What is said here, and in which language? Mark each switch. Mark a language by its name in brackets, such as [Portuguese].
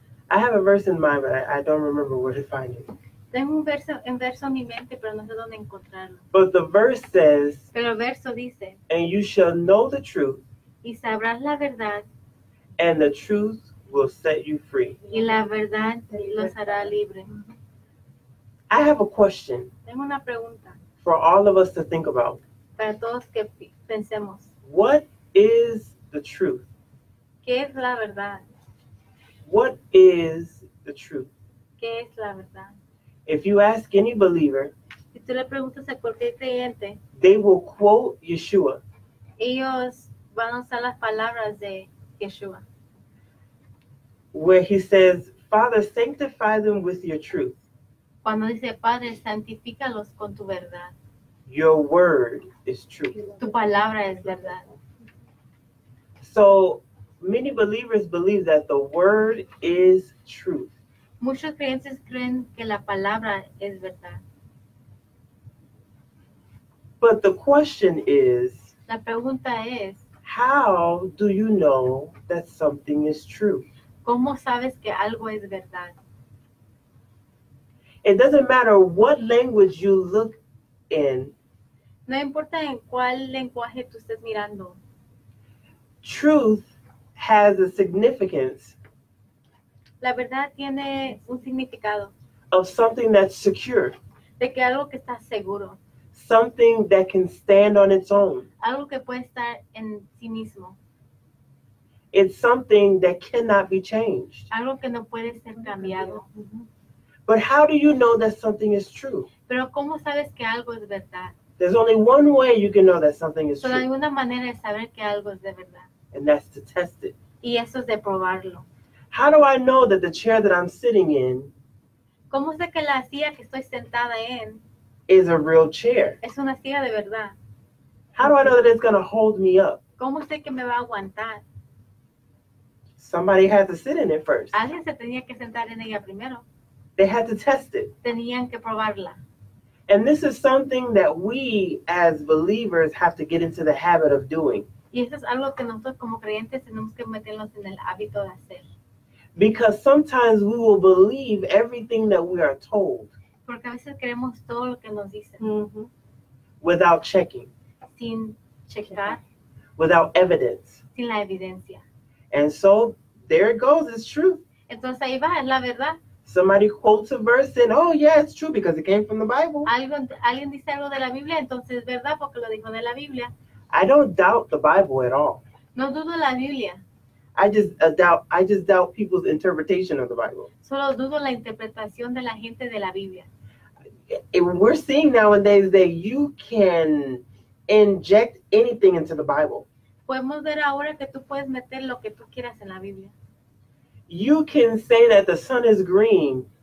[English] I have a verse in mind, but I don't remember where to find it. [Spanish] Tengo un verso en mi mente, pero no sé dónde encontrarlo. [English] But the verse says, [Spanish] pero el verso dice, [English] and you shall know the truth, [Spanish] y sabrás la verdad, [English] and the truth will set you free. [Spanish] Y la verdad los hará libre. [English] I have a question. [Spanish] Tengo una pregunta. [English] For all of us to think about. [Spanish] Para todos que pensemos. [English] What is the truth? [Spanish] ¿Qué es la verdad? [English] What is the truth? [Spanish] ¿Qué es la verdad? [English] If you ask any believer, [Spanish] si tú le preguntas a cualquier creyente, [English] they will quote Yeshua. [Spanish] Ellos van a usar las palabras de Yeshua. [English] Where he says, Father, sanctify them with your truth. [Spanish] Cuando dice, Padre, santifícalos con tu verdad. [English] Your word is truth. [Spanish] Tu palabra es verdad. [English] So, many believers believe that the word is truth. [Spanish] Muchos creyentes creen que la palabra es verdad. [English] But the question is, [Spanish] la pregunta es, [English] how do you know that something is true? [Spanish] ¿Cómo sabes que algo es verdad? [English] It doesn't matter what language you look in. [Spanish] No importa en cuál lenguaje tú estés mirando. [English] Truth has a significance. [Spanish] La verdad tiene un significado. [English] Of something that's secure. [Spanish] De que algo que está seguro. [English] Something that can stand on its own. [Spanish] Algo que puede estar en sí mismo. [English] It's something that cannot be changed. [Spanish] Algo que no puede ser cambiado. Mm-hmm. [English] But how do you know that something is true? [Spanish] Pero ¿cómo sabes que algo es verdad? [English] There's only one way you can know that something is [Spanish] solo [English] true. [Spanish] Solo hay una manera de saber que algo es de verdad. [English] And that's to test it. [Spanish] Y eso es de probarlo. [English] How do I know that the chair that I'm sitting in, [Spanish] ¿cómo sé que la silla que estoy sentada en, [English] is a real chair? [Spanish] Es una silla de verdad. [English] How do I know that it's going to hold me up? [Spanish] ¿Cómo sé que me va a aguantar? [English] Somebody had to sit in it first. [Spanish] Alguien se tenía que sentar en ella primero. [English] They had to test it. [Spanish] Tenían que probarla. [English] And this is something that we as believers have to get into the habit of doing. [Spanish] Y eso es algo que nosotros como creyentes tenemos que meternos en el hábito de hacer. [English] Because sometimes we will believe everything that we are told. [Spanish] Porque a veces creemos todo lo que nos dicen. [English] Mm-hmm. Without checking. [Spanish] Sin checar. [English] Without evidence. [Spanish] Sin la evidencia. [English] And so there it goes, it's true. [Spanish] Entonces ahí va, es la verdad. [English] Somebody quotes a verse and, oh yeah, it's true because it came from the Bible. [Spanish] Alguien dice algo de la Biblia, entonces es verdad porque lo dijo de la Biblia. [English] I don't doubt the Bible at all. [Spanish] No dudo la Biblia. [English] I just doubt people's interpretation of the Bible. [Spanish] Solo dudo la interpretación de la gente de la Biblia. [English] And we're seeing nowadays that you can inject anything into the Bible. [Spanish] Podemos ver ahora que tú puedes meter lo que tú quieras en la Biblia. [English] You can say that the sun is green.